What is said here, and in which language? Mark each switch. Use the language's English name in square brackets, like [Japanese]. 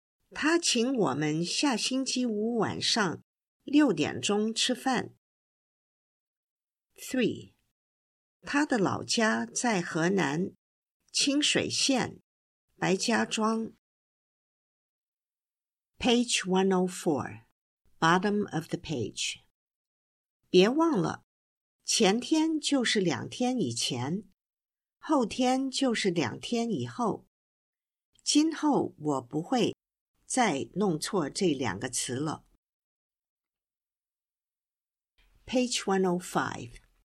[Chinese] 他请我们下星期五晚上6点钟吃饭。 [English] 3. [Chinese] 他的老家在河南清水县白家庄。 [English] Page 104, bottom of the page. [Chinese] 别忘了，前天就是两天以前，后天就是两天以后。今后我不会再弄错这两个词了。 [English] Page 105。